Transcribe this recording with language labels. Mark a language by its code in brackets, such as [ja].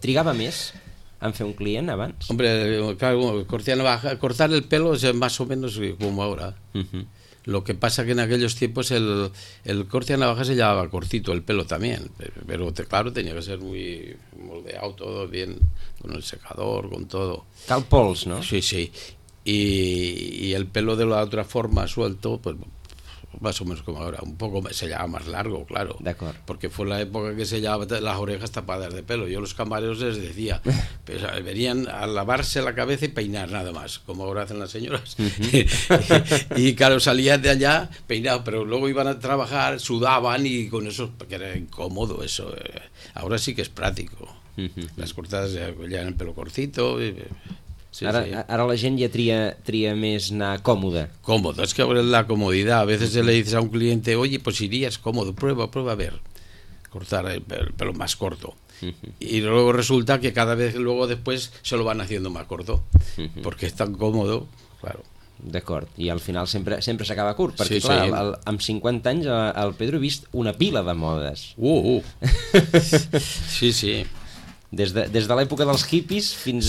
[ca] Trigava més en fer un client abans? [es] Hombre, claro, cortar el pelo es más o menos como ahora. Uh-huh. Lo que pasa que en aquellos tiempos el corte a navaja se llevaba cortito, el pelo también. Pero claro, tenía que ser muy moldeado todo bien, con el secador, con todo. [ca] Tal pols, ¿no? [es] Sí, sí. Y el pelo de la otra forma suelto, pues más o menos como ahora, un poco se llevaba más largo, claro. [ca] D'acord. [es] Porque fue la época que se llevaba las orejas tapadas de pelo. Yo los camareros les decía, pues, venían a lavarse la cabeza y peinar nada más, como ahora hacen las señoras. Uh-huh. Y claro, salían de allá peinados, pero luego iban a trabajar, sudaban y con eso, que era incómodo eso. Ahora sí que es práctico. Uh-huh. Las cortadas ya llevan el pelo cortito. Y, [ca] sí, ara, sí. Ara la gent ja tria més anar còmode. Còmode, és que ara la comoditat. A vegades [es] le dices a un client, oye, pues iries còmode, prueba a ver, cortar el pelo más corto. Uh-huh. Y luego resulta que cada vez luego después se lo van haciendo más corto, uh-huh, porque es tan cómodo, claro. [ca] D'acord, i al final sempre s'acaba curt, perquè sí, clar, sí. Amb 50 anys el Pedro ha vist una pila de modes. Sí, sí. Des de l'època dels hippies fins